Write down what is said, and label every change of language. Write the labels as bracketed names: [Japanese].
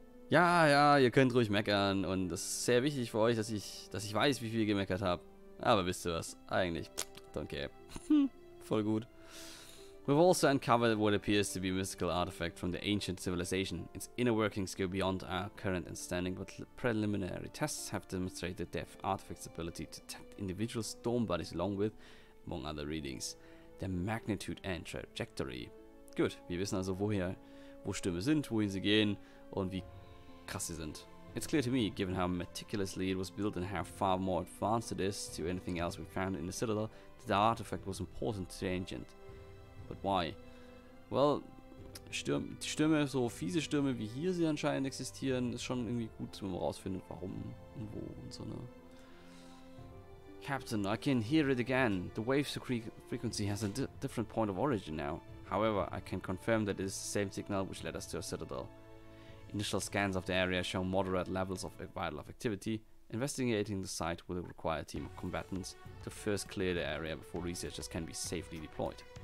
[German] Ja, ja, ihr könnt ruhig meckern und das ist sehr wichtig für euch, dass ich weiß, wie viel ihr gemeckert habt. Aber wisst ihr was? Eigentlich, [English] don't care. [German] Voll gut. [English] We've also uncovered what appears to be a mystical artifact from the ancient civilization. Its inner workings go beyond our current understanding, but preliminary tests have demonstrated the artifact's ability to detect individual storm bodies along with, among other readings, their magnitude and trajectory. [German] Gut, wir wissen also, wo Stürme sind, wohin sie gehen und wie krass sie sind. [English] It's clear to me, given how meticulously it was built and how far more advanced it is to anything else we found in the Citadel, that the artifact was important to the ancient. But why? [German] Well, Stürme, so fiese Stürme, wie hier sie anscheinend existieren, ist schon irgendwie gut, wenn man rausfindet, warum und wo und so, ne? [English] Captain, I can hear it again. The wave frequency has a different point of origin now. However, I can confirm that it is the same signal which led us to a Citadel. Initial scans of the area show moderate levels of wildlife activity. Investigating the site will require a team of combatants to first clear the area before researchers can be safely deployed.